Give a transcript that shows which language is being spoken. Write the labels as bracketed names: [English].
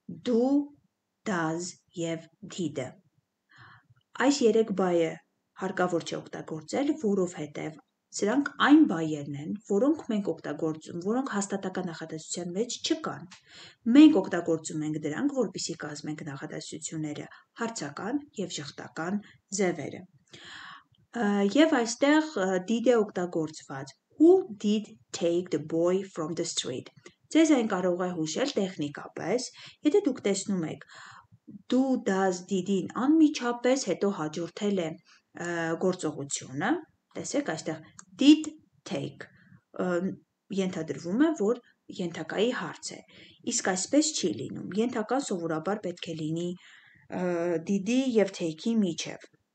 [Armenian] Do, does եւ did-ը։ Այս երեք բայը հարկավոր չէ օգտագործել, որովհետեւ սրանք այն բայերն են, որոնք մենք օգտագործում, որոնք հաստատական նախադասության մեջ չկան։ Մենք օգտագործում ենք դրանք, որպիսի կազմենք նախադասությունները, հարցական եւ ժխտական ձևերը։ Եվ այստեղ did-ը օգտագործված. [English] Who did take the boy from the street? [Armenian] Ձեզ այն կարող է հուշել տեխնիկապես, եթե դուք տեսնում եք, do does did-ին անմիջապես հետո հաջորդել է գործողությունը, տեսեք այստեղ did take ենթադրվում է, որ ենթակայի հարց է, իսկ այսպես չի լինում, ենթական սովորաբար պետք է լինի did-ի եւ take-ի միջև,